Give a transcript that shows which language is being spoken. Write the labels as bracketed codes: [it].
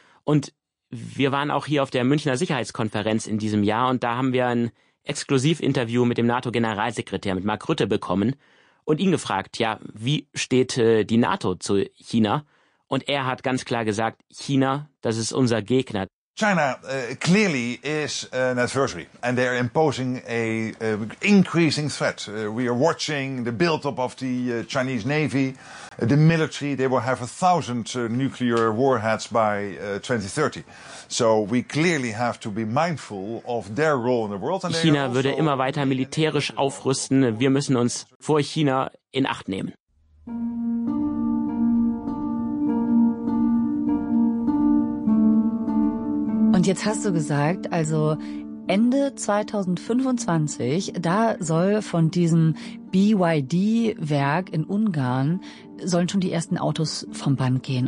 [de] Und wir waren auch hier auf der Münchner Sicherheitskonferenz in diesem Jahr und da haben wir ein Exklusivinterview mit dem NATO-Generalsekretär, mit Mark Rutte, bekommen und ihn gefragt, ja, wie steht die NATO zu China? Und er hat ganz klar gesagt, China, das ist unser Gegner. [en] China clearly is an adversary and they are imposing an increasing threat. We are watching the build-up of the Chinese Navy, the military. They will have 1,000 nuclear warheads by 2030. So we clearly have to be mindful of their role in the world. [de] China würde immer weiter militärisch aufrüsten. Wir müssen uns vor China in Acht nehmen. Und jetzt hast du gesagt, also Ende 2025, da soll von diesem BYD-Werk in Ungarn, sollen schon die ersten Autos vom Band gehen.